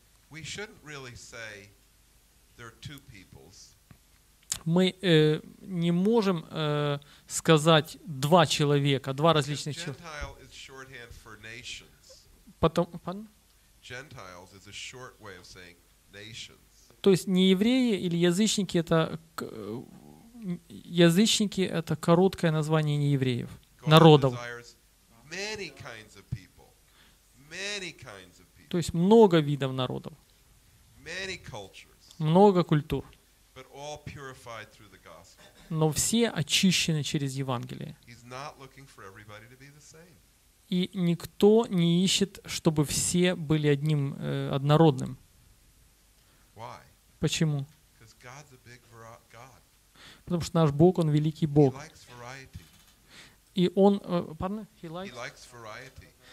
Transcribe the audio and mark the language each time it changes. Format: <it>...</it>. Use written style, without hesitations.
<en>We shouldn't really say there are two peoples.</en> <ru>Мы не можем сказать два человека, два различных человека.</ru> <en>Gentile is shorthand for nations.</en> <ru>Потом, pardon?</ru> <en>Gentiles is a short way of saying nations.</en> <ru>То есть не евреи или язычники — это язычники — это короткое название не евреев, народов.</ru> <en>Many kinds of people. Many kinds of people.</en> <ru>То есть много видов народов.</ru> <en>Many cultures,</en> <ru>много культур,</ru> <en>but all purified through the gospel.</en> <ru>Но все очищены через Евангелие.</ru> <en>He's not looking for everybody to be the same.</en> <ru>И никто не ищет, чтобы все были одним, однородным.</ru> <en>Why?</en> <ru>Почему?</ru> <en>'Cause God's a big God.</en> <ru>Потому что наш Бог, Он великий Бог.</ru> <en>He likes variety.</en> <ru>И Он... Pardon?</ru> <en>He likes variety.</en>